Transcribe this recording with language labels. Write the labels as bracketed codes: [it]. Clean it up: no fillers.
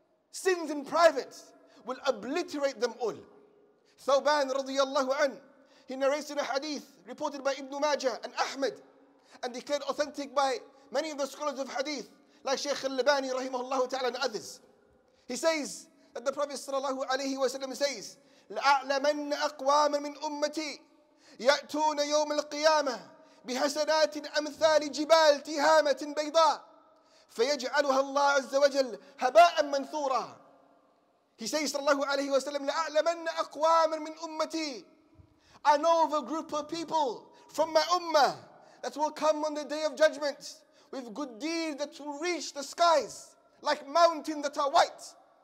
[en] Sins in private will obliterate them all. Thawban radiyallahu an, he narrates in a hadith reported by Ibn Majah and Ahmed and declared authentic by many of the scholars of hadith like Shaykh al-Labani rahimahullahu ta'ala and others. He says that the Prophet [ar] sallallahu alayhi wa sallam says, لَأَعْلَمَنَّ أَقْوَامًا مِنْ أُمَّتِي يَأْتُونَ يَوْمَ الْقِيَامَةِ بِحَسَنَاتٍ أَمْثَالِ جِبَالِ تِهَامَةٍ بَيْضَاءِ فَيَجْعَلُهَا اللَّهُ عَزَّ وَجَلْ هَبَاءً مَنْثُورًا. [en] He says [ar] sallallahu alayhi wa sallam, لَأَعْلَمَنَّ أَقْوَامًا مِنْ أُمَّتِي. [en] I know of a group of people from my ummah that will come on the day of judgment with good deeds that will reach the skies like mountains that are white.